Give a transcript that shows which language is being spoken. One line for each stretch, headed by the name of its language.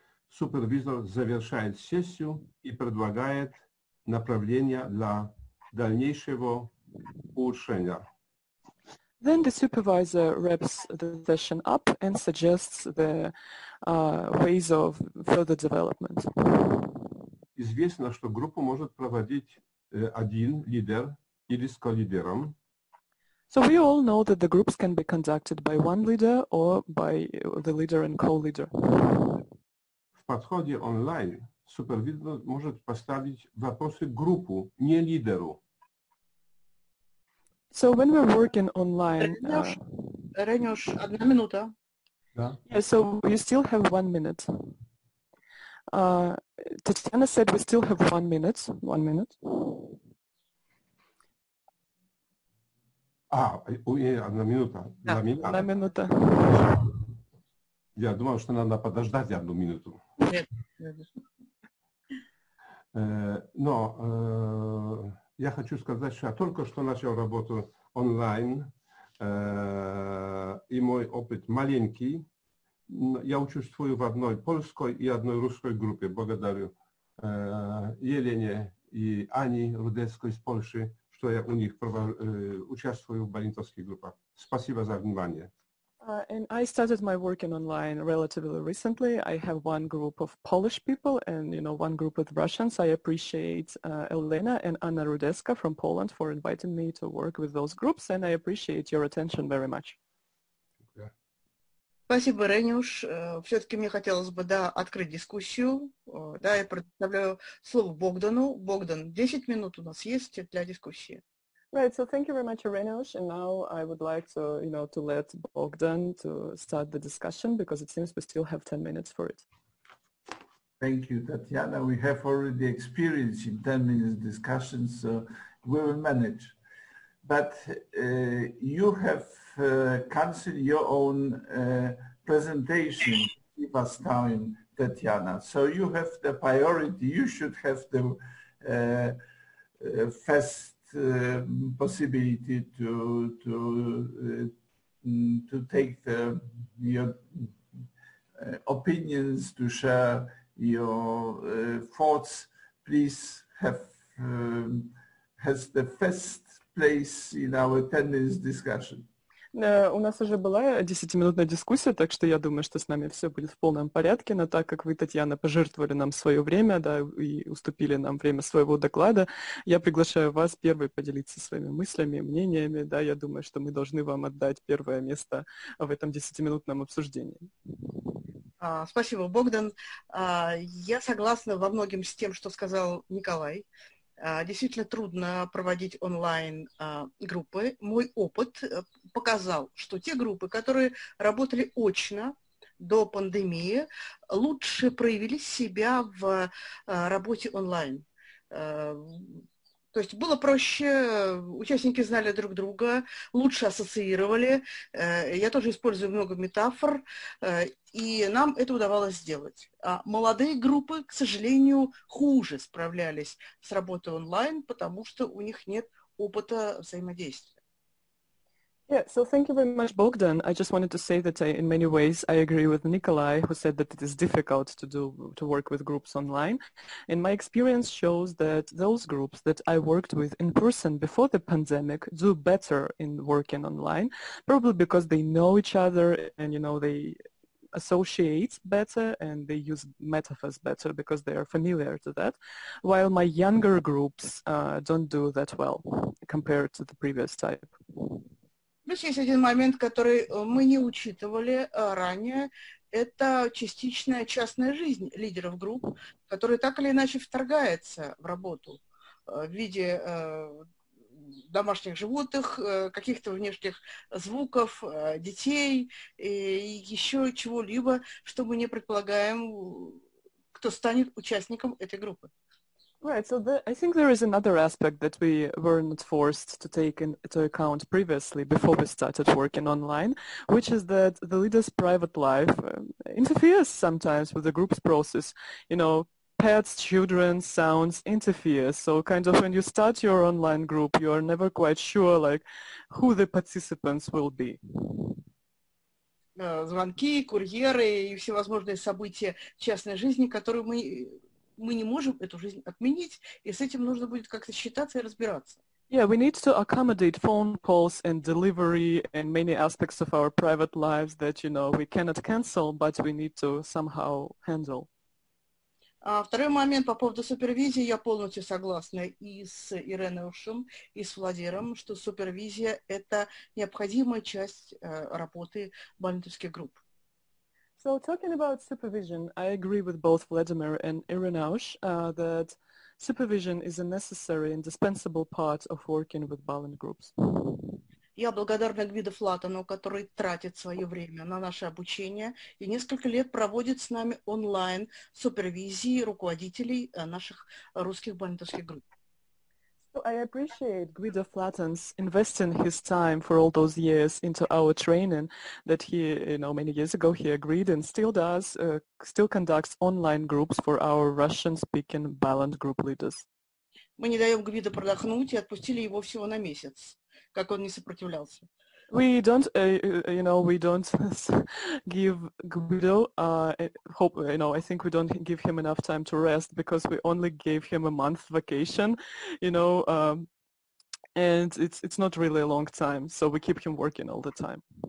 Russian: Супервизор завершает сессию и предлагает направление для дальнейшего улучшения.
English: Then the supervisor wraps the session up and suggests the ways of further development.
Russian: Известно, что группу может проводить один лидер или с колидером.
English: So we all know that the groups can be conducted by one leader or by the leader and co-leader.
Russian: В подходе онлайн супервизор может поставить вопросы группу, не лидеру.
English: So when we're working online,
Russian: Ренюш, одна минута. Да.
English: Yeah, so we still have 1 minute. Татьяна said we still have 1 minute. 1 minute.
Russian: А, одна минута. Да, одна минута. Я думал, что надо подождать одну минуту. Нет. Но я хочу сказать, что я только что начал работу онлайн, и мой опыт маленький. Я участвую в одной польской и одной русской группе. Благодарю Елене и Ане Рудецкой из Польши, что я у них участвую в балинтовских группах. Спасибо за внимание.
English: And I started my working online relatively recently. I have one group of Polish people and, you know, one group of Russians. I appreciate Elena and Anna Rudeska from Poland for inviting me to work with those groups, and I appreciate your attention very much.
Russian: Спасибо, Ренюш. Все-таки мне хотелось бы, да, открыть дискуссию. Да, я предоставляю слово Богдану. Богдан, 10 минут у нас есть для дискуссии.
English: Right, so thank you very much, Renosh, and now I would like to, you know, to let Bogdan to start the discussion, because it seems we still have 10 minutes for it. Thank you, Tatiana. We have already experience in 10 minutes discussion, so we will manage. But you have canceled your own presentation, give us time, Tatiana. So you have the priority, you should have the first possibility to take the your opinions, to share your thoughts. Please has the first place in our 10 minutes discussion.
Russian: У нас уже была 10-минутная дискуссия, так что я думаю, что с нами все будет в полном порядке, но так как вы, Татьяна, пожертвовали нам свое время, да, и уступили нам время своего доклада, я приглашаю вас первой поделиться своими мыслями, мнениями, да, я думаю, что мы должны вам отдать первое место в этом 10-минутном обсуждении. Спасибо, Богдан. Я согласна во многом с тем, что сказал Николай. Действительно трудно проводить онлайн группы. Мой опыт показал, что те группы, которые работали очно до пандемии, лучше проявили себя в работе онлайн. То есть было проще, участники знали друг друга, лучше ассоциировали. Я тоже использую много метафор, и нам это удавалось сделать. А молодые группы, к сожалению, хуже справлялись с работой онлайн, потому что у них нет опыта взаимодействия.
English: Yeah, so thank you very much, Bogdan. I just wanted to say that in many ways I agree with Nikolai, who said that it is difficult to work with groups online. And my experience shows that those groups that I worked with in person before the pandemic do better in working online, probably because they know each other and, you know, they associate better and they use metaphors better because they are familiar to that, while my younger groups don't do that well compared to the previous type.
Russian: Плюс есть один момент, который мы не учитывали ранее. Это частичная частная жизнь лидеров групп, которая так или иначе вторгается в работу в виде домашних животных, каких-то внешних звуков, детей и еще чего-либо, что мы не предполагаем, кто станет участником этой группы.
English: Right, so I think there is another aspect that we were not forced to take into account previously before we started working online, which is that the leader's private life interferes sometimes with the group's process. You know, pets, children, sounds interfere. So kind of when you start your online group, you are never quite sure like who the participants will be.
Russian: Звонки, курьеры и всевозможные события частной жизни, которые мы не можем эту жизнь отменить, и с этим нужно будет как-то считаться и разбираться.
English: Yeah, we need to accommodate phone calls and delivery and many aspects of our private lives that, you know, we cannot cancel, but we need to somehow handle.
Russian: Второй момент по поводу супервизии. Я полностью согласна и с Ириной Ушим, и с Владимиром, что супервизия – это необходимая часть работы Балентовских групп.
English: So talking about supervision, I agree with both Vladimir and Irina Ush that supervision is a necessary, indispensable part of working with Balint groups.
Russian: Я благодарна Гвиду Флатону, который тратит свое время на наше обучение и несколько лет проводит с нами онлайн супервизии руководителей наших русских балентовских групп.
English: So I appreciate Guido Flattens investing his time for all those years into our training that he, you know, many years ago he agreed and still does, still conducts online groups for our Russian-speaking Balint group leaders.
Russian: Мы не даем Гвиду продохнуть и отпустили его всего на месяц, как он не сопротивлялся.
English: We don't, you know, we don't give Guido, you know, I think we don't give him enough time to rest because we only gave him a month vacation, you know, and it's not really a long time, so we keep him working all the time.